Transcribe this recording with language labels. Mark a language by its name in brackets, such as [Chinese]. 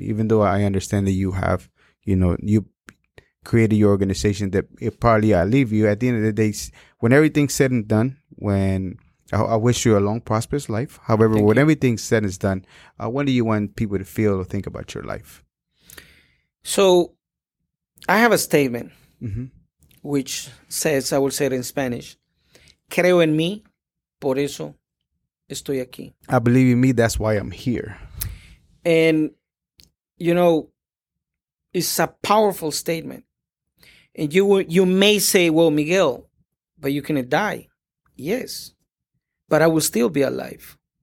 [English] Even though I understand that you have, you know, you created your organization, that it probably I leave you at the end of the day, when everything's said and done, when I wish you a long, prosperous life. However, thank when you. Everything's said and done, what do you want people to feel or think about your life? So I have a statement, mm-hmm. which says, I will say it in Spanish. [Spanish] Creo en mí, por eso estoy aquí. [English] I believe in me, that's why I'm here. And, you know, it's a powerful statement. And you may say, well, Miguel, but you cannot die. Yes, but I will still be alive.